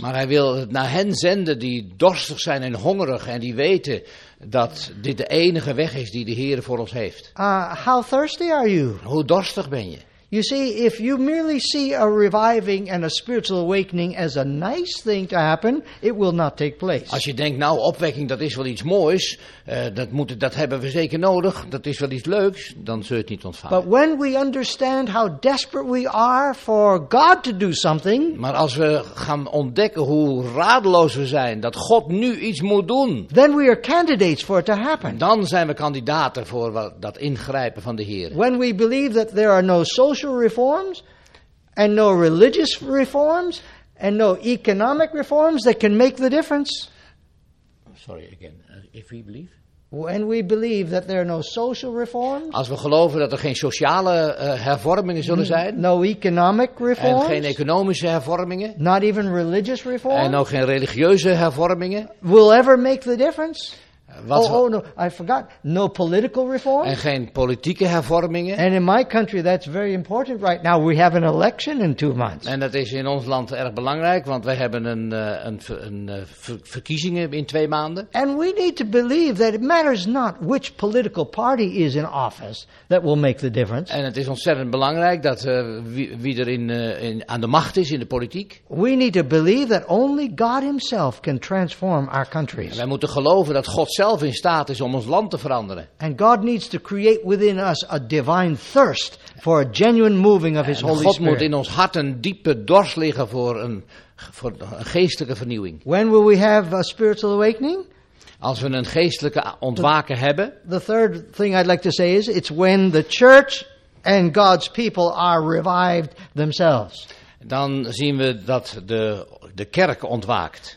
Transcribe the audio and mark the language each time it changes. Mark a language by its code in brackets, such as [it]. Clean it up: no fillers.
[nl] Maar hij wil het naar hen zenden die dorstig zijn en hongerig en die weten dat dit de enige weg is die de Heer voor ons heeft. [en] How thirsty are you? [nl] Hoe dorstig ben je? [en] You see, if you merely see a reviving and a spiritual awakening as a nice thing to happen, it will not take place. [nl] Als je denkt, nou, opwekking, dat is wel iets moois, dat hebben we zeker nodig, dat is wel iets leuks, dan zul je het niet ontvangen. [en] But when we understand how desperate we are for God to do something, [nl] maar als we gaan ontdekken hoe radeloos we zijn dat God nu iets moet doen, [en] then we are candidates for it to happen. [nl] Dan zijn we kandidaten voor dat ingrijpen van de Heer. [en] When we believe that there are no social reforms and no religious reforms and no economic reforms that can make the difference. Sorry again. If we believe. When we believe that there are no social reforms. [nl] Als we geloven dat er geen sociale hervormingen zullen zijn. [en] No economic reforms. [nl] En geen economische hervormingen. [en] Not even religious reforms. [nl] En ook geen religieuze hervormingen. [en] Will ever make the difference. Oh no, I forgot. No political reform. [nl] En geen politieke hervormingen. [en] And in my country that's very important right now. We have an election in 2 months. [nl] En dat is in ons land erg belangrijk, want we hebben een verkiezingen in 2 maanden. [en] And we need to believe that it matters not which political party is in office that will make the difference. [nl] En het is ontzettend belangrijk dat wie er aan de macht is in de politiek. [en] We need to believe that only God himself can transform our countries. [nl] En wij moeten geloven dat God zelf in staat is om ons land te veranderen. [en] And God needs to create within us a divine thirst for a genuine moving of his Holy Spirit. [nl] God moet in ons hart een diepe dorst liggen voor een geestelijke vernieuwing. [en] When will we have a spiritual awakening? [nl] Als we een geestelijke ontwaken hebben. [en] The third thing I'd like to say is it's when the church and God's people are revived themselves. [nl] Dan zien we dat de kerk ontwaakt.